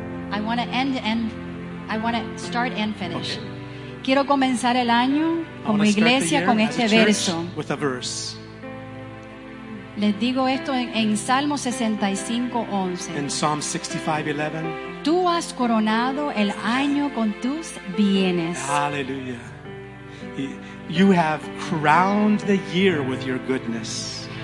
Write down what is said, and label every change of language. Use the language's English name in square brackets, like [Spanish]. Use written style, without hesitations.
[English] I want to end and I want to start and finish. Okay. [Spanish] Quiero comenzar el año como iglesia con este verso. [English] With a verse. [Spanish] Les digo esto en Salmo 65:11. [English] In Psalm 65:11. [Spanish] Tú has coronado el año con tus bienes. [English] Hallelujah. You have crowned the year with your goodness.